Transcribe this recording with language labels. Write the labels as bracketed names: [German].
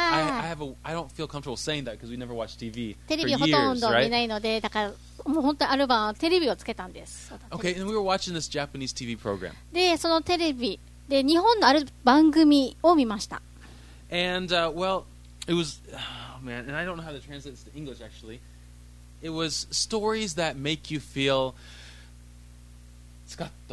[English] I don't feel comfortable saying that because we never watched TV. [Japanese] テレビほとんど見ないので、だからもう本当にある晩テレビをつけたんです。 [English] Okay, and we were watching this Japanese TV program. [Japanese] で、そのテレビで日本のある番組を見ました。 [English] And well, it was. Man, and I don't know how to translate this to English. Actually, it was stories that make you feel scatto.